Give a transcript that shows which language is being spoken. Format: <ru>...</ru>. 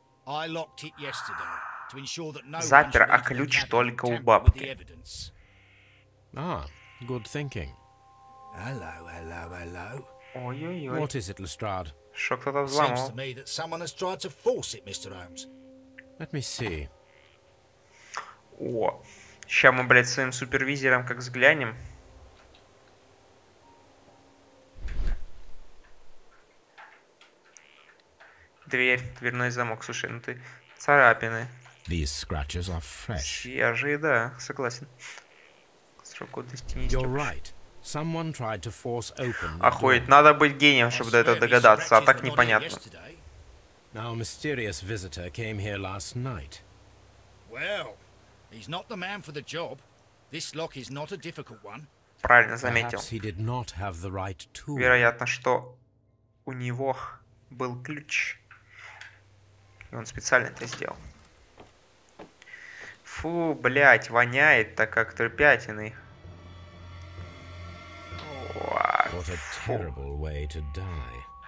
<en>I locked it yesterday to ensure that no one should enter.</en> <ru>Запер, а ключ только у бабки.</ru> <en>Ah, good thinking. Hello, hello, hello.</en> <ru>Ой-ой-ой.</ru> <en>What is it, Lestrade?</en> <ru>Что кто-то взломал?</ru> <en>Seems to me that someone has tried to force it, Mr. Holmes. Let me see.</en> <ru>О, сейчас мы, блядь, своим супервизором как взглянем. Дверь, дверной замок, слушай, ну ты царапины.</ru> <en>These scratches are fresh.</en> <ru>Свежие, да, согласен. Срок годности не истёк.</ru> <en>Right. Someone tried to force open.</en> <ru>Охуеть, надо быть гением, чтобы до этого догадаться, а так непонятно.</ru> <en>Now a mysterious visitor came here last night. Well, he's not the man for the job. This lock is not a difficult one.</en> <ru>Правильно заметил.</ru> <en>Perhaps he did not have the right tool.</en> <ru>Вероятно, что у него был ключ. И он специально это сделал. Фу, блядь, воняет так, как трепятины.</ru> <en>What a terrible way to die.</en>